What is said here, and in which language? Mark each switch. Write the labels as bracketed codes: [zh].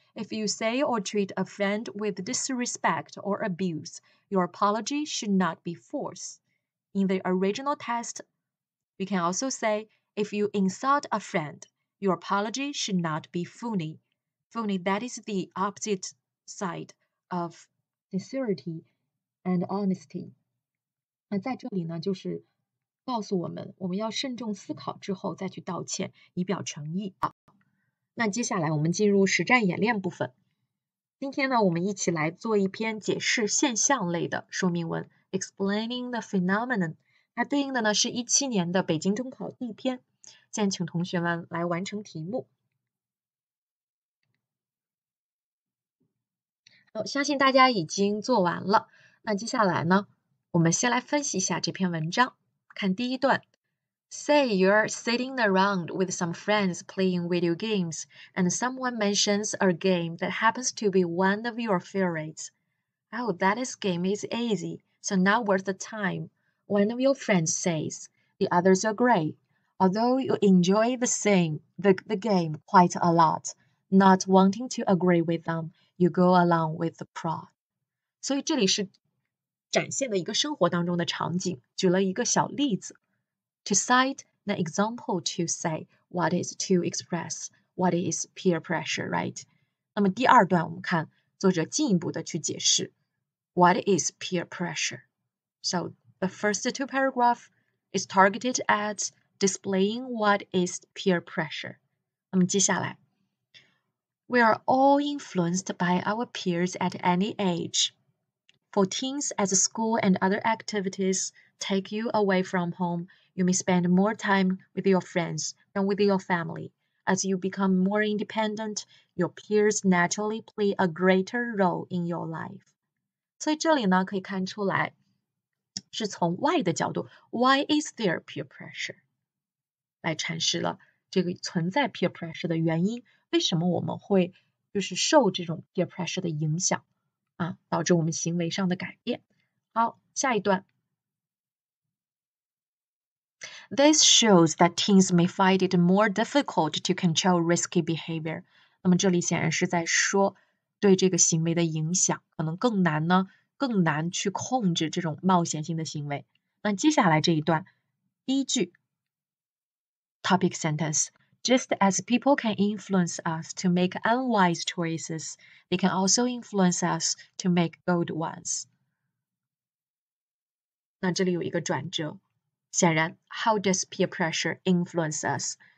[en] If you say or treat a friend with disrespect or abuse, your apology should not be forced. In the original text, you can also say, if you insult a friend, your apology should not be phony. Phony, that is the opposite side of sincerity and honesty. [zh] 那在这里呢，就是告诉我们，我们要慎重思考之后再去道歉，以表诚意啊。那接下来我们进入实战演练部分。今天呢，我们一起来做一篇解释现象类的说明文 ， [en] Explaining the Phenomenon。 [zh] 它对应的呢是17年的北京中考第一篇。现在请同学们来完成题目。好，相信大家已经做完了。那接下来呢？我们先来分析一下这篇文章，看第一段 [en] ，Say you're sitting around with some friends playing video games, and someone mentions a game that happens to be one of your favorites. Oh, that is game is easy, so not worth the time. One of your friends says, the others agree. Although you enjoy the game quite a lot, not wanting to agree with them, you go along with the crowd. [zh] 所以这里是。展现了一个生活当中的场景，举了一个小例子。 [en] To cite an example to say what is to express what is peer pressure, right? [zh] 那么第二段我们看作者进一步的去解释 [en] what is peer pressure. So the first two paragraphs is targeted at displaying what is peer pressure. [zh] 那么接下来 [en] We are all influenced by our peers at any age. For teens, as school and other activities take you away from home, you may spend more time with your friends than with your family. As you become more independent, your peers naturally play a greater role in your life. [zh] 所以这里呢，可以看出来，是从 why 的角度 ， [en] why is there peer pressure? [zh] 来阐释了这个存在 peer pressure 的原因，为什么我们会就是受这种 peer pressure 的影响。啊，导致我们行为上的改变。好，下一段。 [en] This shows that teens may find it more difficult to control risky behavior. [zh] 那么这里显然是在说对这个行为的影响可能更难呢，更难去控制这种冒险性的行为。那接下来这一段，第一句 ，topic sentence。 [en] Just as people can influence us to make unwise choices, they can also influence us to make good ones. [zh] 那这里有一个转折，显然 ， [en] how does peer pressure influence us?